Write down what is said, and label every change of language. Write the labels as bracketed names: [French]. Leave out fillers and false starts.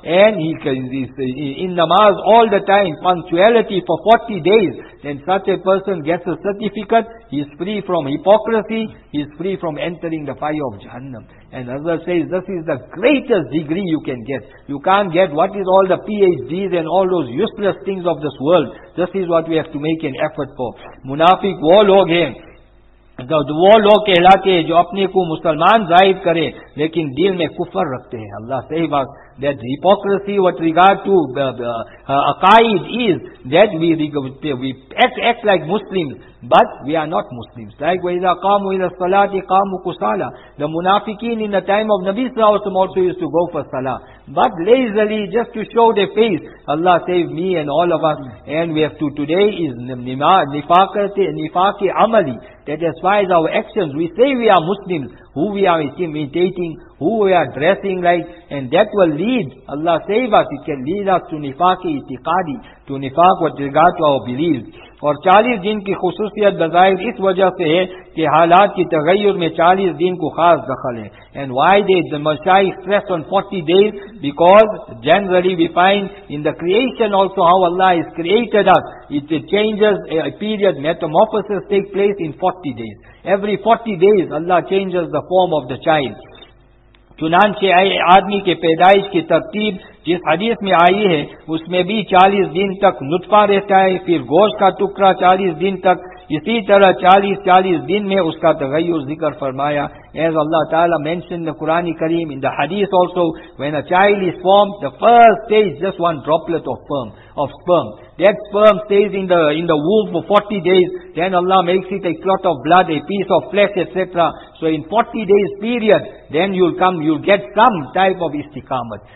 [English] And he is in namaz all the time, punctuality for 40 days, then such a person gets a certificate, he is free from hypocrisy, he is free from entering the fire of Jahannam. And Hazrat says, this is the greatest degree you can get. You can't get what is all the PhDs and all those useless things of this world. This is what we have to make an effort for. [Urdu] Munafiq wo log hain. وہ لوگ کہلاتے ہیں جو اپنے کو مسلمان ظاہر کرے لیکن دل میں کفر رکھتے ہیں. اللہ صحیح بات. [English] That hypocrisy with regard to aqaid is that we act like Muslims but we are not Muslims. Like [Arabic] وَإِذَا قَامُوا إِلَى الصَّلَاةِ قَامُوا كُسَالَى. [English] The munafiqeen in the time of Nabi sallallahu alayhi wa sallam also used to go for salah but lazily, just to show their face. Allah save me and all of us. And we have to, today is nifaqi amali. That as far as our actions, we say we are Muslims, who we are imitating, who we are dressing like, and that will lead, Allah save us, it can lead us to nifaqi itiqadi, to nifaq with regard to our beliefs. [Urdu] اور 40 دن کی خصوصیت بظاہر اس وجہ سے ہے کہ حالات کی تغیر میں 40 دن کو خاص دخل ہے. [English] And why they the Mashai stress on 40 days? Because generally we find in the creation also how Allah has created us. It changes a period, metamorphosis take place in 40 days. Every 40 days Allah changes the form of the child. [Urdu] چنانچہ آدمی کے پیدائش کی ترتیب جس حدیث میں آئی ہے اس میں بھی 40 دن تک نطفہ رہتا ہے پھر گوشت کا ٹکڑا 40 دن تک اسی طرح 40 دن میں اس کا تغیر ذکر فرمایا. [English] As Allah Ta'ala mentioned in the Quran Kareem, in the hadith also, when a child is formed, the first stage just one droplet of sperm. That sperm stays in the womb for 40 days, then Allah makes it a clot of blood, a piece of flesh, etc. So in 40 days period, then you'll get some type of istiqamat.